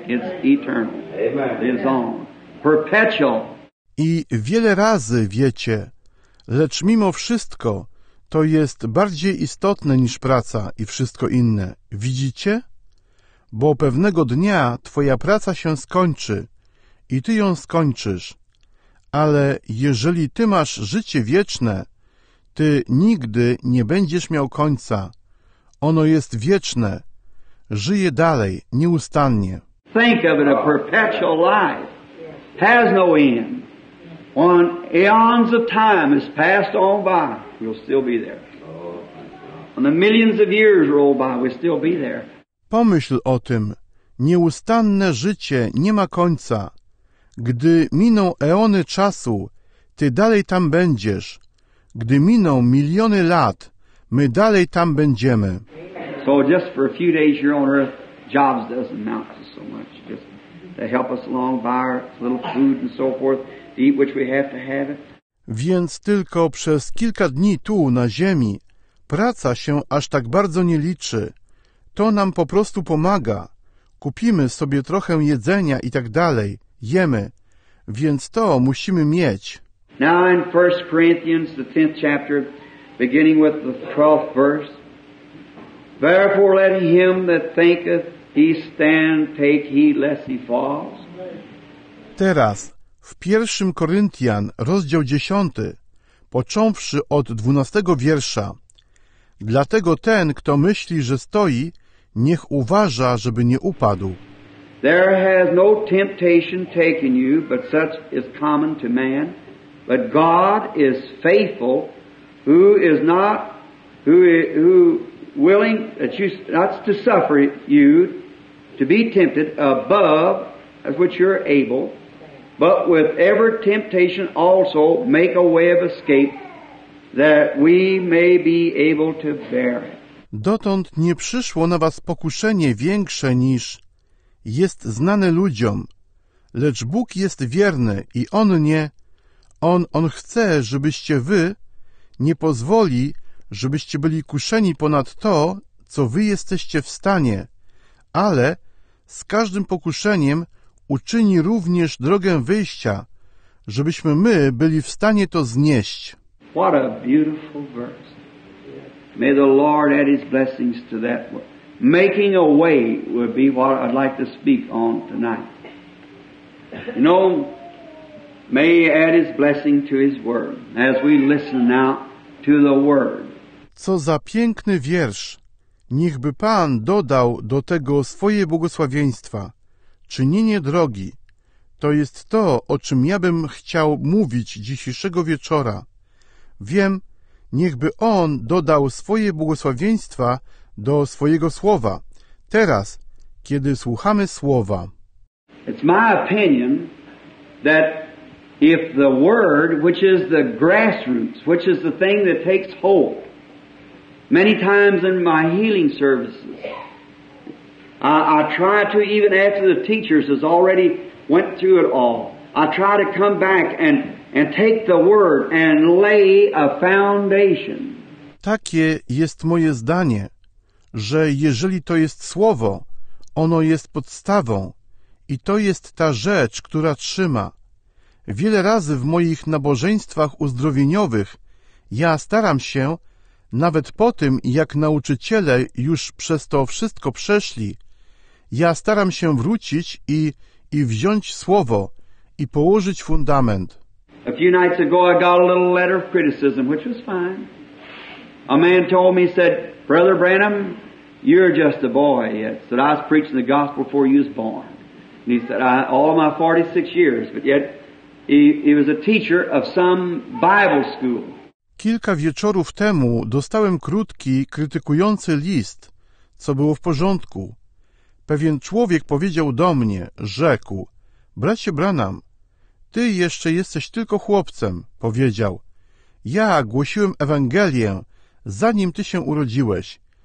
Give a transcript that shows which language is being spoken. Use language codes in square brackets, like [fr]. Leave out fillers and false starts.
[en] It's eternal. It's on. Perpetual. [pl] I wiele razy, wiecie, lecz mimo wszystko, to jest bardziej istotne niż praca i wszystko inne. Widzicie? Bo pewnego dnia twoja praca się skończy i ty ją skończysz. Ale jeżeli ty masz życie wieczne, ty nigdy nie będziesz miał końca. Ono jest wieczne, żyje dalej, nieustannie. [en] Think of it, a perpetual life has no end. When eons of time has passed on by, we'll still be there. When the millions of years roll by, we'll still be there. [pl] Pomyśl o tym, nieustanne życie nie ma końca. Gdy miną eony czasu, ty dalej tam będziesz. Gdy miną miliony lat, my dalej tam będziemy. [en] So just for a few days you're on earth, jobs doesn't amount to so much. Just to help us along, buy our little food and so forth, to eat which we have to have it. [pl] Więc tylko przez kilka dni tu, na ziemi, praca się aż tak bardzo nie liczy. To nam po prostu pomaga. Kupimy sobie trochę jedzenia i tak dalej, jemy. Więc to musimy mieć. [en] Now in 1 Corinthians, the 10th chapter, beginning with the 12th verse. Therefore let him that thinketh he stand take heed lest he falls. [pl] Teraz, w 1 Koryntian, rozdział 10, począwszy od 12 wiersza. Dlatego ten, kto myśli, że stoi, niech uważa, żeby nie upadł. [en] There has no temptation taken you, but such is common to man. But God is faithful, who is not, who willing that you not to suffer you to be tempted above as which you are able, but with every temptation also make a way of escape, that we may be able to bear it. [pl] Dotąd nie przyszło na was pokuszenie większe niż jest znane ludziom, lecz Bóg jest wierny i On nie, On chce, żebyście wy nie pozwoli, żebyście byli kuszeni ponad to, co wy jesteście w stanie, ale z każdym pokuszeniem uczyni również drogę wyjścia, żebyśmy my byli w stanie to znieść. [en] What a beautiful verse. May the Lord add his blessings to that word. Making a way would be what I'd like to speak on tonight. You know, may he add his blessing to his word as we listen now to the word. [pl] Co za piękny wiersz. Niechby Pan dodał do tego swoje błogosławieństwa. Czynienie drogi. To jest to, o czym ja bym chciał mówić dzisiejszego wieczora. Wiem, niechby On dodał swoje błogosławieństwa do swojego słowa. Teraz, kiedy słuchamy słowa. [en] It's my opinion that if the word, which is the grassroots, which is the thing that takes hold, many times in my healing services, I try to, even after the teachers has already went through it all, I try to come back and take the word and lay a foundation. [pl] Takie jest moje zdanie, że jeżeli to jest słowo, ono jest podstawą i to jest ta rzecz, która trzyma. Wiele razy w moich nabożeństwach uzdrowieniowych ja staram się, nawet po tym, jak nauczyciele już przez to wszystko przeszli, ja staram się wrócić i wziąć słowo i położyć fundament. [en] A few nights ago I got a little letter of criticism, which was fine. A man told me, said, Brother Branham, you're just a boy yet. Said, I was preaching the gospel before you was born. And he said, all my 46 years, but yet he was a teacher of some Bible school. [pl] Kilka wieczorów temu dostałem krótki, krytykujący list, co było w porządku. Pewien człowiek powiedział do mnie, rzekł, bracie Branham, ty jeszcze jesteś tylko chłopcem, powiedział. Ja głosiłem Ewangelię, zanim ty się urodziłeś.